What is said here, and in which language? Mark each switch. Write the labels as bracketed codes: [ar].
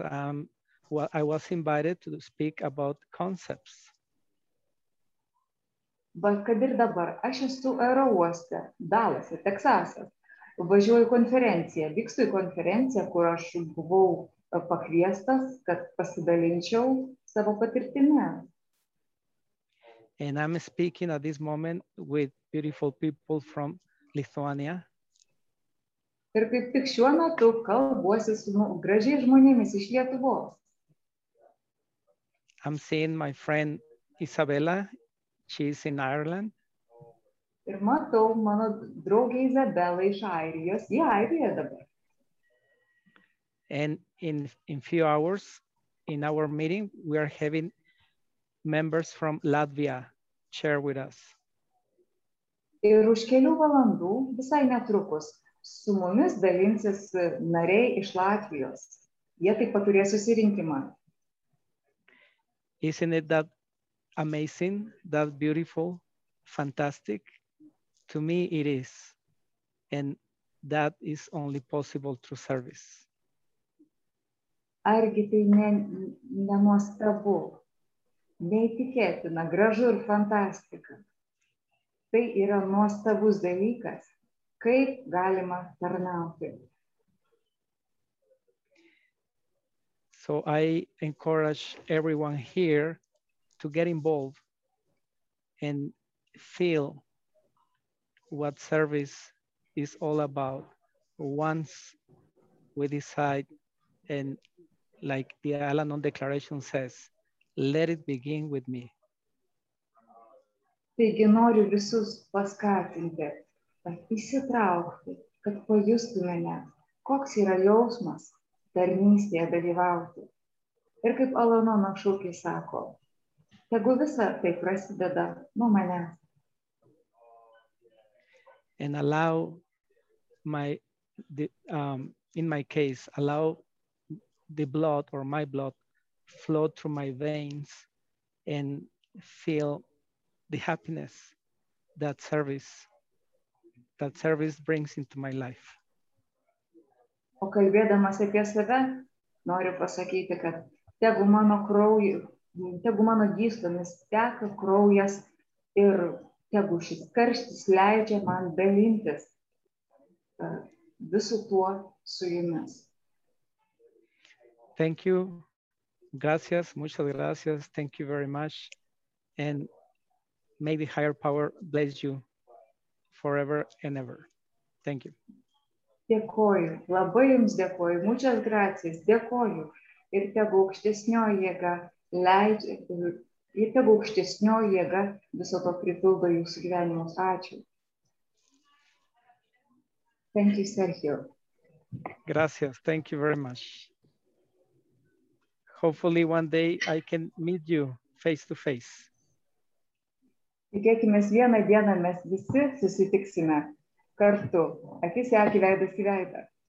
[en] I was invited to speak about concepts. [lt] Bet kad ir dabar, aš esu aerouoste, Dallas, Teksasas, Važiuoju konferenciją, vykstu į konferenciją, kur aš buvau pakviestas, kad pasidalinčiau savo patirtimi. [en] And I'm speaking at this moment with beautiful people from Lithuania. [lt] Ir kaip tik šiuo metu kalbuosi su gražiai žmonėmis iš Lietuvos. [en] I'm seeing my friend Isabella. She's in Ireland. [lt] Ir matau mano draugę Izabelą iš Airijos. Ji Airija dabar. [en] And in few hours, in our meeting, we are having members from Latvia share with us. [lt] Ir už kelių valandų, visai netrukus, su mumis dalinsis nariai iš Latvijos. Jie taip pat turės susirinkimą. [en] Isn't it that amazing, that beautiful, fantastic? To me it is. And that is only possible through service. [lt] Argi tai nenuostabu, neįtikėtina, gražu ir fantastika. Tai yra nuostabus dalykas, kaip galima tarnauti. [en] So I encourage everyone here to get involved and feel what service is all about once we decide, and like the Al-Anon Declaration says, let it begin with me. [lt] Taigi noriu visus paskatinti, įsitraukti, kad pajustumėme, koks yra jausmas tarnystėje dalyvauti. Ir kaip Al-Anon šūkis sako, tegu visa tai prasideda nuo manęs. [en] And allow my, in my case, allow the blood or my blood flow through my veins and feel the happiness that service brings into my life. [lt] O kalbėdamas apie save, noriu pasakyti, kad tegu mano gyslomis teka kraujas ir tegu šis karštis leidžia man dalintis visu tuo su jumis. [en] Thank you. [es] Gracias. Muchas gracias. [en] Thank you very much. And may the higher power bless you forever and ever. Thank you. [lt] Dėkoju. Labai jums dėkoju. [es] Muchas gracias. [lt] Dėkoju. Ir tegu aukštesnioji jėga leidžia. Ir tegu aukštesnioji jėga viso to pripildo jūsų gyvenimus. Ačiū. [en] Thank you, Sergio. [es] Gracias. [en] Thank you very much. Hopefully one day I can meet you face to face. [lt] Tikėkimės vieną dieną mes visi susitiksime kartu. Akis į akį, veidas į veidą.